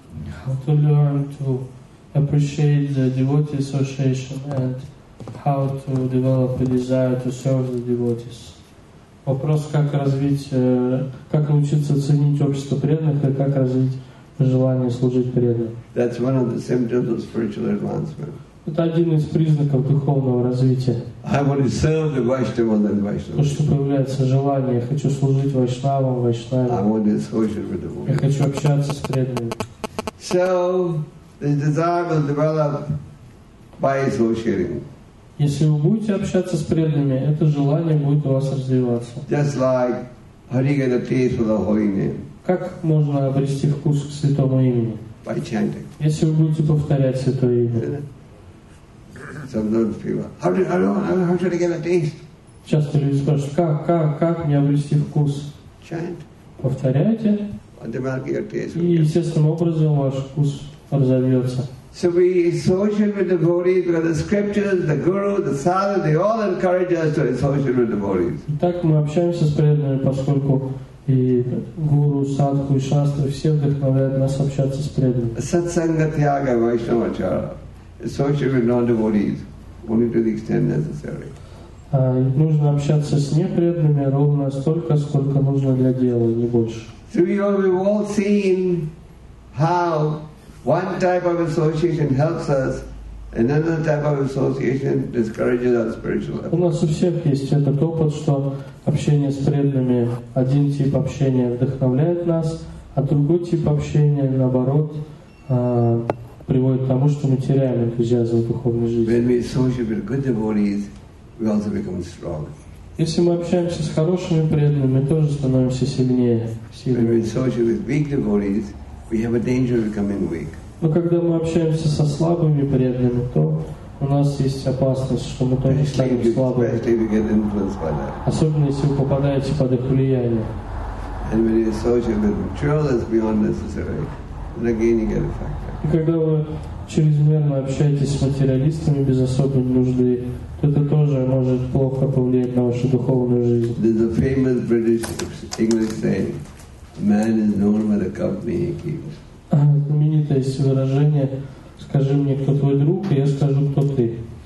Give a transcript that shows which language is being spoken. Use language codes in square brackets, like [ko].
[en] How to learn to appreciate the devotee association and how to develop a desire to serve the devotees. [ru] Вопрос, как развить, как научиться ценить общество преданных и как развить желание служить преданным. [en] That's one of the symptoms of spiritual advancement. [ru] Это один из признаков духовного развития. [en] I want to serve the Vaishnava and Vaishnava. [ru] То, что появляется желание, я хочу служить Вайшнавам, Вайшнавам. [en] I want to associate with the devotees. [ru] Я хочу общаться с преданными. [en] So the desire will develop by associating. [ru] Если вы будете общаться с преданными, это желание будет у вас развиваться. [en] Just like, how do you get a taste of the holy name? [ru] Как можно обрести вкус к святому имени? [en] By chanting. [ru] Если вы будете повторять святое имя. [en] Sometimes people, how should I get a taste? [ru] Часто люди спрашивают, как мне обрести вкус? [en] Chant. [ru] Повторяйте. И естественным образом ваш вкус разовьется. [en] So we associate with devotees because the scriptures, the guru, the sadhu, they all encourage us to associate with devotees. [ru] Так мы общаемся с преданными, поскольку и гуру, садху, и шастры все вдохновляют нас общаться с преданными. [bn] Satsanga tyaga vaishnavachara. [en] Associate with non-devotees only to the extent necessary. [ru] Нужно общаться с непреданными ровно столько, сколько нужно для дела, не больше. [en] So we've all seen how one type of association helps us, and another type of association discourages our spiritual effort. [ru] У нас у всех есть этот опыт, что общение с преданными, один тип общения вдохновляет нас, а другой тип общения, наоборот, приводит к тому, что мы теряем энтузиазм в духовной жизни. [en] When we associate with good devotees, we also become strong. [ru] Если мы общаемся с хорошими преданными, мы тоже становимся сильнее. [en] When we associate with weak devotees, we have a danger of becoming weak. [ru] Но когда мы общаемся со слабыми преданными, то у нас есть опасность, что мы тоже станем слабыми. Особенно если вы попадаете под их влияние. [en] And when you associate with material that's beyond necessary, then again you get affected. [ru] И когда вы чрезмерно общаетесь с материалистами без особой нужды, то это тоже может плохо повлиять на вашу духовную жизнь. [en] There's a famous British English saying. Man is known by the company he keeps. [ru] Знаменитое есть выражение: скажи мне, кто твой друг, и я скажу, кто ты.